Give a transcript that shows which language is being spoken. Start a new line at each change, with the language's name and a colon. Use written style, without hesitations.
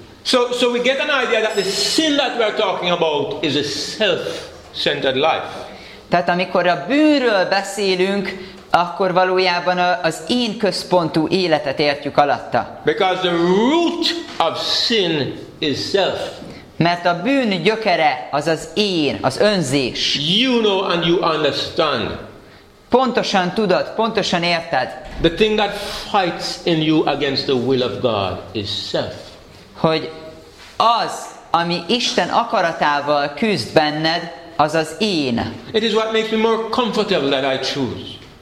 English: So we get an idea that the sin that we're talking about is a self-centered life.
Hungarian: Tehát amikor a bűnről beszélünk, akkor valójában az én központú életet értjük alatta.
English: Because the root of sin is self.
Hungarian: Mert a bűn gyökere az az én, az önzés.
English: You know and you understand.
Hungarian: Pontosan tudod, pontosan érted.
English: The thing that fights in you against the will of God is self.
Hungarian: Hogy az, ami Isten akaratával küzd benned, az az én.
English: It is what makes me more comfortable that I choose.